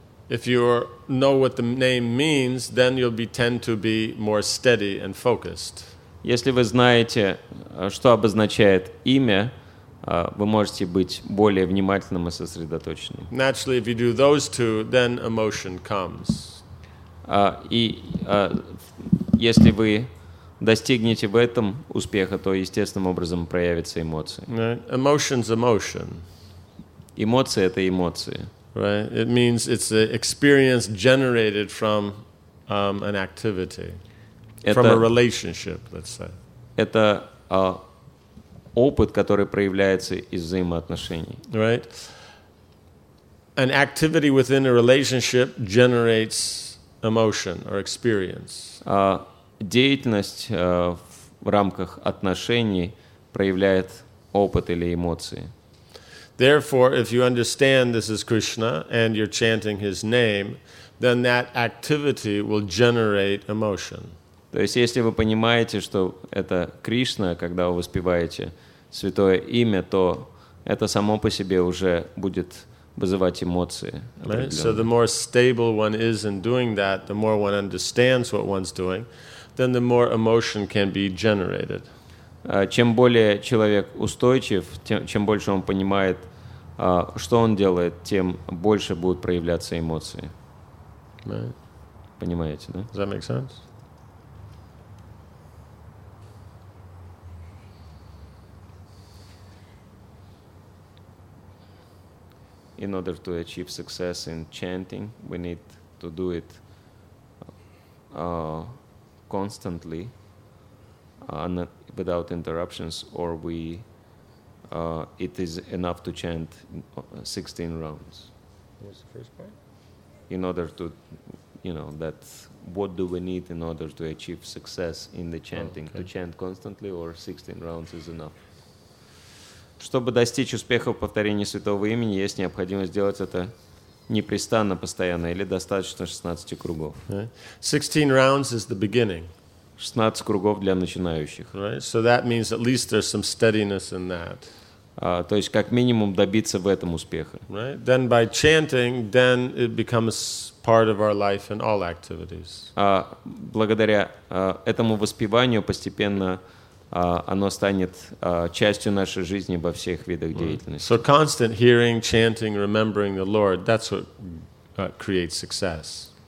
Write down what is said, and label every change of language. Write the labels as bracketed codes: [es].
[en] If you know what the name means, then you'll tend to be more steady and focused. [ru] Если вы знаете, что обозначает имя, вы можете быть более внимательным и сосредоточенным. [en] Naturally, if you do those two, then emotion comes. [ru] Если вы достигнете в этом успеха, то естественным образом проявятся эмоции. [en] Right. Emotion's emotion. [ru] Эмоции — это эмоции. [en] Right. It means it's an experience generated from an activity, from a relationship, let's say. [ru] Это опыт, который проявляется из взаимоотношений. [en] Right. An activity within a relationship generates emotion or experience. [ru] Деятельность в рамках отношений проявляет опыт или эмоции. [en] Therefore, if you understand this is Krishna and you're chanting his name, then that activity will generate emotion. [ru] То есть, если вы понимаете, что это Кришна, когда вы воспеваете святое имя, то это само по себе уже будет вызывать эмоции. [en] Right? So the more stable one is in doing that, the more one understands what one's doing, then the more emotion can be generated. [ru] Чем более человек устойчив, тем, чем больше он понимает, что он делает, тем больше будут проявляться эмоции. [en] Right. [ru] Понимаете, да? [en] Does that make sense? In order to achieve success in chanting, we need to do it constantly, without interruptions, or it is enough to chant 16 rounds. What's the first part? In order to, that what do we need in order to achieve success in the chanting? Oh, okay. To chant constantly, or 16 rounds is enough? [ru] Чтобы достичь успеха в повторении святого имени, есть необходимость сделать это непрестанно, постоянно, или достаточно 16 кругов. [en] 16 rounds is the beginning. [ru] 16 кругов для начинающих. [en] Right. So that means at least there's some steadiness in that. [ru] То есть как минимум добиться в этом успеха. [en] Right. Then by chanting, then it becomes part of our life and all activities. [ru] Благодаря этому воспеванию постепенно оно станет частью нашей жизни во всех видах деятельности. [en] So constant hearing, chanting, remembering the Lord, that's what creates success.